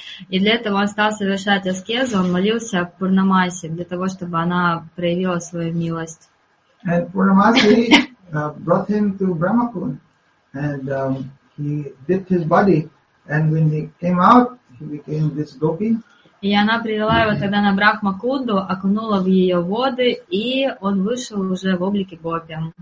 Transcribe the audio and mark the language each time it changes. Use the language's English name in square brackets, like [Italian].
[Russian] И для этого он стал совершать аскезу, он молился Пурнамасе для того, чтобы она проявила свою милость. [English] And Purnamasi brought him to Brahmakul, and he dipped his body, and when he came out, he became this gopi. [Russian] И она привела его тогда на Брахмакунду, окунула в ее воды, и он вышел уже в облике гопи.